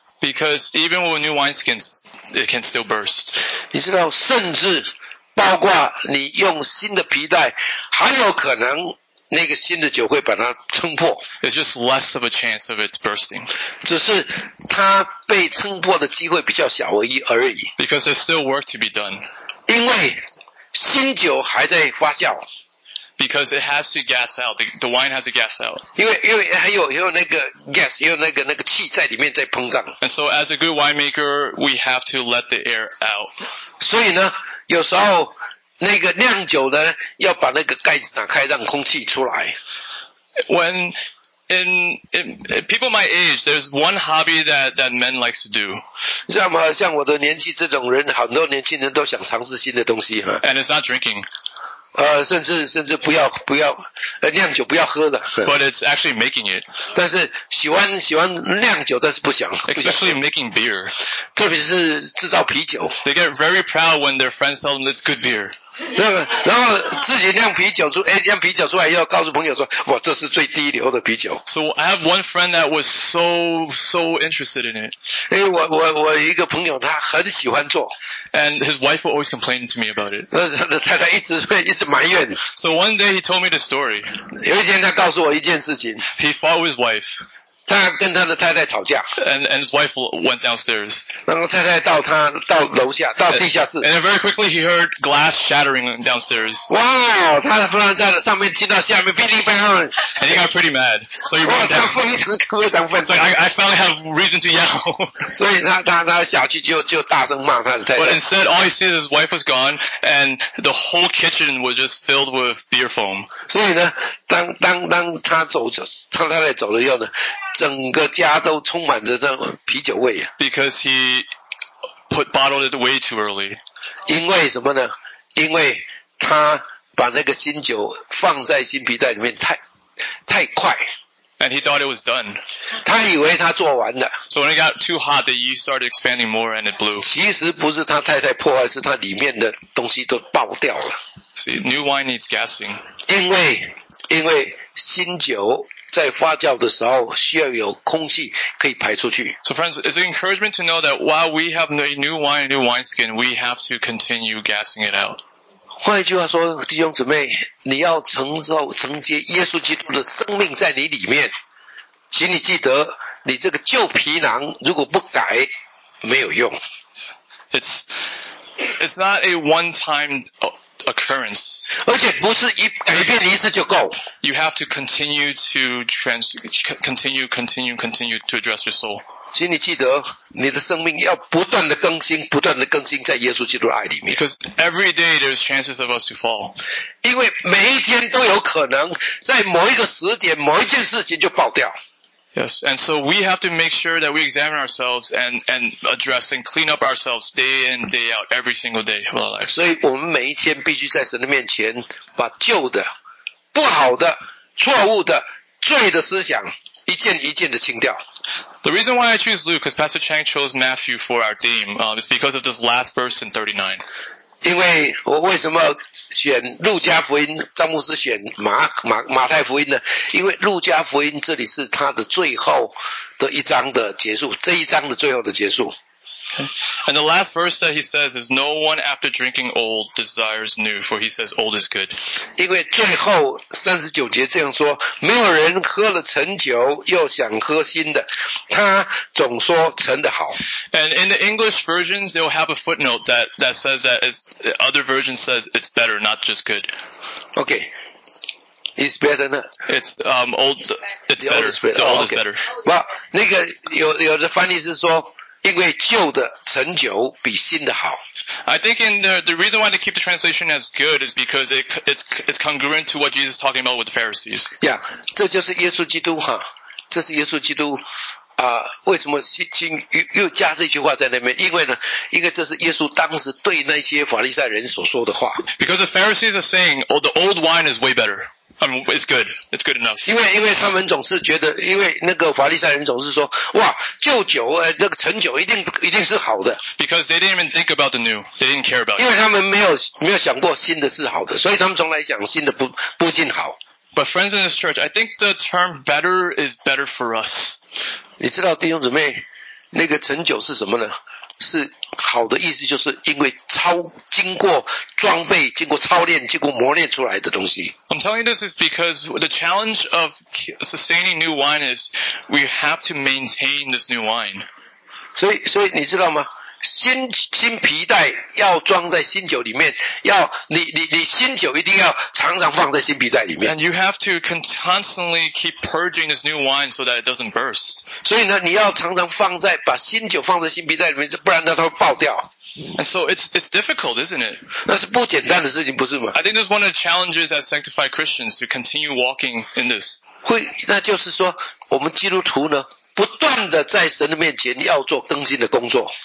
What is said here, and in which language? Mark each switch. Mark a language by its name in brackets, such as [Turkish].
[English] Because even with new wineskins, it can still burst. [Chinese] 你知道甚至包括你用新的皮带，还有可能那个新的酒会把它撑破。 [English] It's just less of a chance of it bursting. [Chinese] 只是它被撑破的机会比较小而已。 [English] Because there's still work to be done. [Chinese] 因为新酒还在发酵。 [English] Because it has to gas out. The wine has to gas out. [Chinese] 因为还有那个 gas, 还有那个气在里面在膨胀。 [English] And so as a good winemaker, we have to let the air out. [Chinese] 所以呢有时候那个酿酒的要把那个盖子打开让空气出来。 [English] When in people my age, there's one hobby that men likes to do. [Chinese] 像我的年纪这种人，很多年轻人都想尝试新的东西。 [English] And it's not drinking. [Chinese] 甚至不要酿酒不要喝的。 [English] But it's actually making it. [Chinese] 但是喜欢酿酒，但是不想。 [English] Especially making beer. [Chinese] 特别是制造啤酒。 [English] They get very proud when their friends tell them it's good beer. [Chinese] 然后自己酿啤酒出来，要告诉朋友说，哇，这是最低流的啤酒。 [English] So I have one friend that was so interested in it. [Chinese] 因为我一个朋友他很喜欢做。 [English] And his wife will always complain to me about it. [Chinese] 太太一直埋怨。 [English] So one day he told me the story. [Chinese] 有一天他告诉我一件事情。 [English] He fought with his wife. [Chinese] 他跟他的太太吵架。 [English] And his wife went downstairs. [Chinese] 然后太太到他到楼下到地下室。 [English] And very quickly he heard glass shattering downstairs. [Chinese] 哇、wow, 他忽然在上面听到下面噼里啪啦。 [English] And he got pretty mad. So he ran down. [Chinese] 非常非常愤怒。 [English] So I finally have reason to yell. [Chinese] 所以他下去就大声骂他的太太。 [English] But instead all he said his wife was gone and the whole kitchen was just filled with beer foam. [Chinese] 所以呢当他走着他太太走了以后呢整个家都充满着那种啤酒味。 [English] Because he put bottled it way too early. [Chinese] 因为什么呢？因为他把那个新酒放在新皮袋里面太快。 [English] And he thought it was done. [Chinese] 他以为他做完了。 [English] So when it got too hot, the yeast started expanding more and it blew. [Chinese] 其实不是他太太破坏，是他里面的东西都爆掉了。 [English] See, new wine needs gassing. [Chinese] 因为新酒在发酵的时候需要有空气可以排出去。 [English] So friends, it's an encouragement to know that while we have a new wine, a new wineskin, we have to continue gassing it out. [Chinese] 换一句话说，弟兄姊妹，你要承接耶稣基督的生命在你里面，请你记得，你这个旧皮囊如果不改，没有用。 [English] It's not a one-time occurrence. [Chinese] 而且不是一改变一次就够。 [English] You have to continue to continue to address your soul. [Chinese] 请你记得，你的生命要不断的更新，不断的更新在耶稣基督的爱里面。 [English] Because every day there's chances of us to fall. [Chinese] 因为每一天都有可能在某一个时点，某一件事情就爆掉。 [English] Yes, and so we have to make sure that we examine ourselves and address and clean up ourselves day in, day out, every single day of our life. [Chinese] 所以我们每一天必须在神的面前把旧的、不好的、错误的、罪的思想一件一件的清掉。 [English] The reason why I choose Luke, because Pastor Chang chose Matthew for our theme, is because of this last verse in 39. [Chinese] 因为我为什么选路加福音，张牧师选马太福音呢？因为路加福音这里是他的最后的一章的结束，这一章的最后的结束。 [English] And the last verse that he says is, "No one after drinking old desires new, for he says old is good." [Chinese] 因为最后39节这样说，没有人喝了陈酒又想喝新的，他总说陈的好。 [English] And in the English versions, they'll have a footnote that says that other version says it's better, not just good. Okay. It's better, no? It's, old, it's the better. The old is better. [Chinese] Well, 那个有的翻译是说因为旧的陈酒比新的好。 [English] I think in the reason why they keep the translation as good is because it's congruent to what Jesus is talking about with the Pharisees. [Chinese] Yeah, 这就是耶稣基督哈，这是耶稣基督啊、为什么新又加这句话在那边？因为这是耶稣当时对那些法利赛人所说的话。 [English] Because the Pharisees are saying, "Oh, the old wine is way better." It's good. It's good enough. [Chinese] 因为他们总是觉得，因为那个法利赛人总是说，哇，旧酒，那个陈酒一定是好的。 [English] Because they didn't even think about the new. They didn't care about. [Chinese] 因为他们没有想过新的是好的，所以他们从来讲新的不尽好。 [English] But friends in this church, I think the term better is better for us. [Chinese] 你知道弟兄姊妹，那个陈酒是什么呢？是好的意思，就是因为经过装备、经过操练、经过磨练出来的东西。 [English] I'm telling you this is because the challenge of sustaining new wine is we have to maintain this new wine. [Chinese] 所以你知道吗？新皮带要装在新酒里面，要你新酒一定要常常放在新皮带里面。 [English] And you have to constantly keep purging this new wine so that it doesn't burst. [Chinese] 所以呢，你要常常放在把新酒放在新皮带里面，不然它会爆掉。 [English] And so it's difficult, isn't it? [Chinese] 那是不简单的事情，不是吗？ [English] I think this is one of the challenges as sanctified Christians to continue walking in this. [Chinese] 会，那就是说我们基督徒呢？不断地在神的面前要做更新的工作。